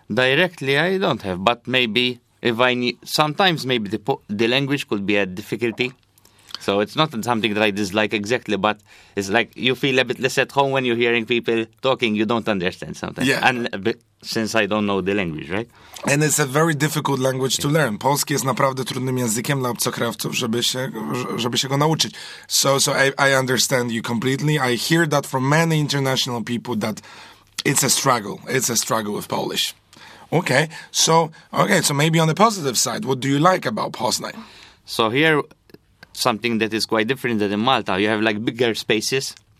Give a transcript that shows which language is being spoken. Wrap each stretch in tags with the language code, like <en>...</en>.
<en>Directly, I don't have, but maybe... Sometimes the language could be a difficulty. So it's not something that I dislike exactly, but it's like you feel a bit less at home when you're hearing people talking. You don't understand sometimes. Yeah. Since I don't know the language, right? And it's a very difficult language to learn.</en> <pl>Polski jest naprawdę trudnym językiem dla obcokrajowców, żeby się go nauczyć.</pl> <en>So I understand you completely. I hear that from many international people that it's a struggle. It's a struggle with Polish. Okay, so maybe on the positive side, what do you like about Poznań? So here, something that is quite different than in Malta, you have like bigger spaces.</en>